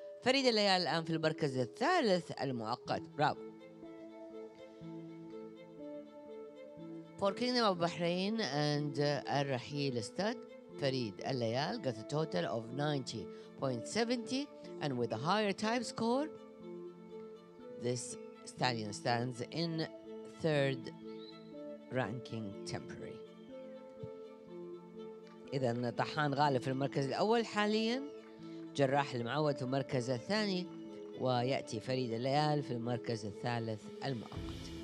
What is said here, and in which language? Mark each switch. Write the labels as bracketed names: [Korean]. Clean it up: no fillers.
[Arabic] فريد الليال الآن في المركز الثالث المؤقت. برافو. [English] For Kingdom of Bahrain and الرحيل استاد فريد الليال got a total of 90.70 and with a higher time score this stallion stands in third ranking temporary. [Arabic] إذن طحان غالب في المركز الأول حاليا، جراح المعود في المركز الثاني، ويأتي فريد الليال في المركز الثالث المؤقت.